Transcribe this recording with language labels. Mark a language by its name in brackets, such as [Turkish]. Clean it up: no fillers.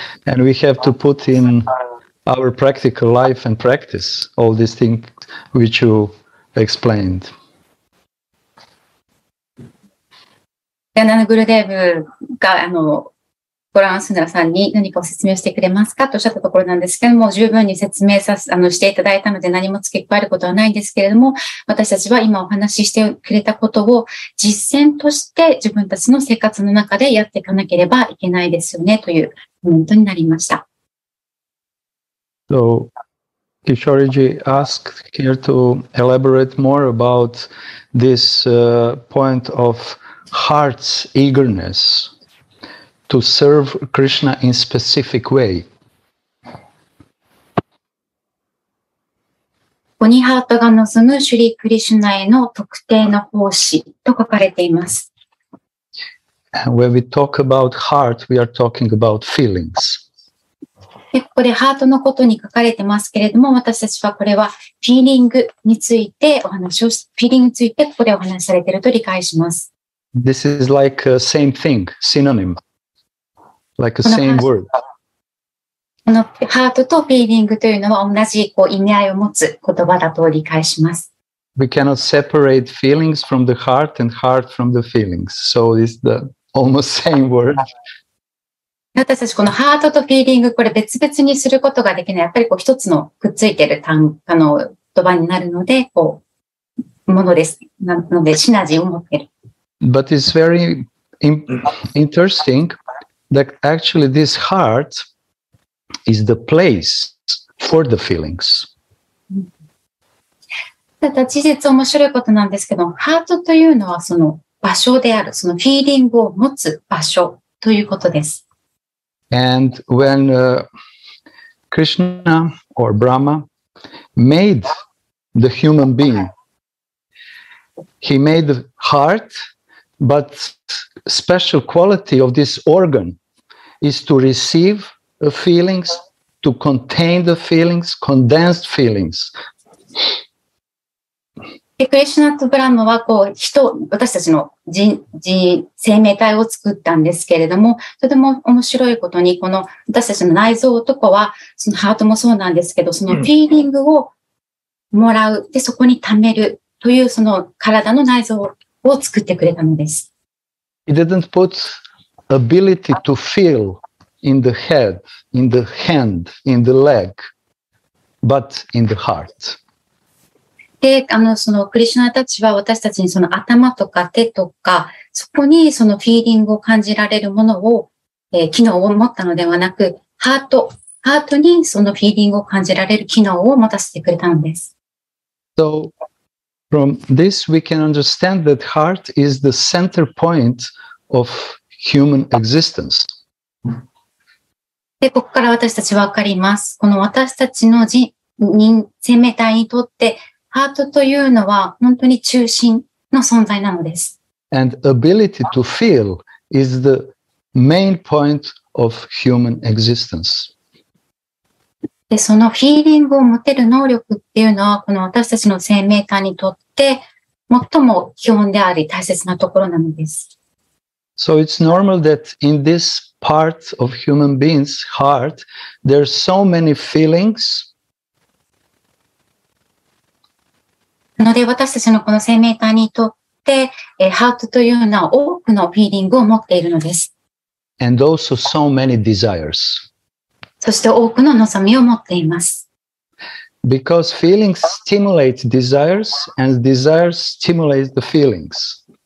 [English] And we have to put in our practical life and practice all these things which you explained. [Japanese] Gurudev が、Goranga Sundara さんに何かを説明してくれますかとおっしゃったところなんですけども、十分に説明していただいたので何も付け加えることはないんですけれども、私たちは今お話ししてくれたことを実践として自分たちの生活の中でやっていかなければいけないですよねというポイントになりました。 [English] So, Kishoriji asked here to elaborate more about this point of heart's eagerness to serve Krishna in a specific way. [Japanese] Oni heart が望む Shri Krishna への特定の奉仕と書かれています。 [English] And when we talk about heart, we are talking about feelings. [Japanese] でここでハートのことに書かれてますけれども、私たちはこれはフィーリングについてお話をし、フィーリングについてここでお話されていると理解します。 [English] This is like a same thing, synonym, like a same word. [Japanese] このハートとフィーリングというのは同じこう意味合いを持つ言葉だと理解します。 [English] We cannot separate feelings from the heart and heart from the feelings. So it's the almost same word. [Japanese] 私たちこのハートとフィーリング、これ別々にすることができない。やっぱりこう一つのくっついてる単語の言葉になるので、こう、ものです。なので、シナジーを持ってる。 [English] But it's very interesting that actually this heart is the place for the feelings. [Japanese] ただ、事実面白いことなんですけど、ハートというのはその場所である、そのフィーリングを持つ場所ということです。 [English] And when Krishna or Brahma made the human being, he made the heart, but special quality of this organ is to receive the feelings, to contain the feelings, condensed feelings. [Japanese] クリシュナとブラムはこう人、私たちの生命体を作ったんですけれども、とても面白いことに、この私たちの内臓とかは、そのハートもそうなんですけど、そのフィーリングをもらう、で、そこに溜めるという、その体の内臓を作ってくれたのです。 [English] He didn't put ability to feel in the head, in the hand, in the leg, but in the heart. [Japanese] で、そのクリシュナたちは私たちにその頭とか手とか、そこにそのフィーリングを感じられるものを、機能を持ったのではなく、ハートにそのフィーリングを感じられる機能を持たせてくれたのです。 [English] So, from this we can understand that heart is the center point of human existence. [Japanese] で、ここから私たちわかります。この私たちの生命体にとって、ハートというのは本当に中心の存在なのです。 [English] And ability to feel is the main point of human existence. [Japanese] で、そのフィーリングを持てる能力っていうのは、この私たちの生命体にとって最も基本であり大切なところなのです。 [English] So it's normal that in this part of human beings' heart, there are so many feelings. [Japanese] なので私たちのこの生命体にとって、ハートというのは多くのフィーリングを持っているのです。 [English] And also so many desires. [Japanese] そして多くの望みを持っています。 [English] Because feelings stimulate desires and desires stimulate the feelings.